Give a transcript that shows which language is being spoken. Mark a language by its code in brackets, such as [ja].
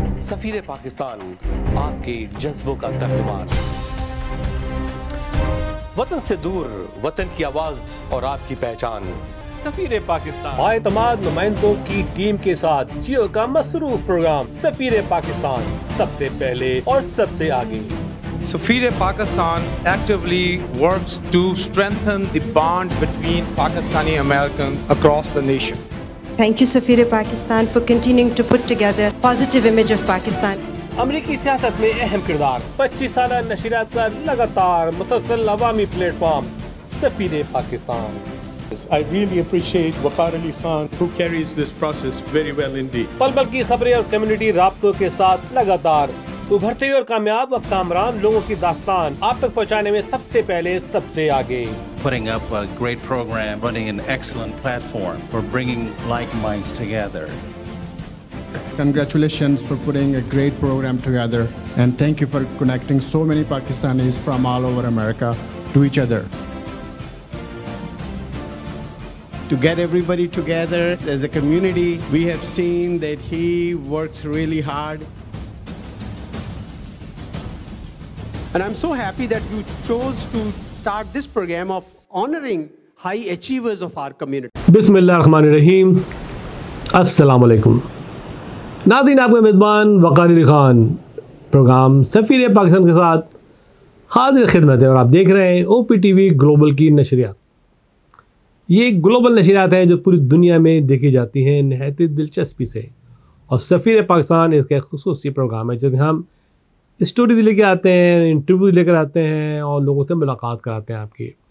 [ur] سفیر پاکستان آپ کے جذبوں کا ترجمان وطن سے دور وطن کی آواز اور آپ کی پہچان سفیر پاکستان بائے تماد نمائندوں کی ٹیم کے ساتھ جیو کا مصروف پروگرام سفیر پاکستان سب سے پہلے اور سب سے آگے [en] Safir Pakistan actually works to strengthen the bond between Pakistani American across the nation Thank you, Safir Pakistan, for continuing to put together a positive image of Pakistan. [ur] امریکی سیاست میں اہم کردار 25 سالہ نشریات کا لگاتار مسلسل عوامی پلیٹ فارم سفیر Pakistan [en] I really appreciate Waqar Ali Khan who carries this process very well indeed. [ur] پل پل کی صبر اور کمیونٹی رابطوں کے ساتھ لگاتار ابھرتے اور کامیاب و کامران لوگوں کی داستان آپ تک پہنچانے میں سب سے پہلے سب سے آگے [en] putting up a great program running an excellent platform for bringing like minds together congratulations for putting a great program together and thank you for connecting so many pakistanis from all over america to each other to get everybody together as a community we have seen that he works really hard and i'm so happy that you chose to start this program of honoring high achievers of our community [ar] bismillah rahman rahim assalamu alaikum [ur] ناظرین آپ کا میزبان وقار Ali Khan programme سفیر پاکستان کے ساتھ حاضر خدمت ہے اور آپ دیکھ رہے ہیں او پی ٹی وی گلوبل کی نشریات یہ گلوبل نشریات ہیں جو پوری دنیا میں دیکھی جاتی ہیں نہایت دلچسپی سے اور سفیر پاکستان اس کا خصوصی پروگرام ہے جس میں ہم اسٹوریز لے کے آتے ہیں انٹرویوز لے کر آتے ہیں اور لوگوں سے ملاقات کراتے ہیں آپ کی